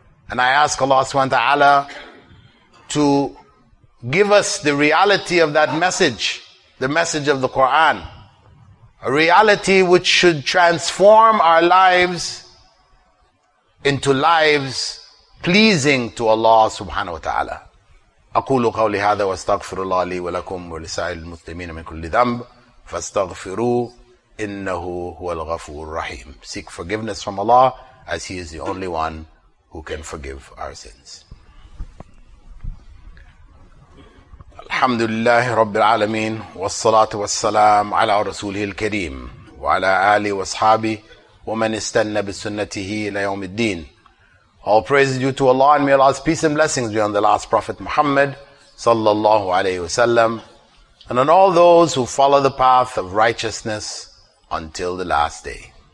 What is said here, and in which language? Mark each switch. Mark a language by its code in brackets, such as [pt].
[en] And I ask Allah subhanahu wa ta'ala to give us the reality of that message, the message of the Quran, a reality which should transform our lives into lives pleasing to Allah subhanahu wa ta'ala. [ar] أقول قولي هذا واستغفر الله لي ولكم ولسائر المسلمين من كل ذنب فاستغفروه إنه هو الغفور الرحيم. [en] Seek forgiveness from Allah as He is the only one who can forgive our sins. [ar] الحمد لله رب العالمين والصلاة والسلام على رسوله الكريم وعلى آله وصحابه ومن استنى بسنته إلى يوم الدين. [en] All praise due to Allah and may Allah's peace and blessings be on the last Prophet Muhammad sallallahu alayhi wa sallam and on all those who follow the path of righteousness until the last day.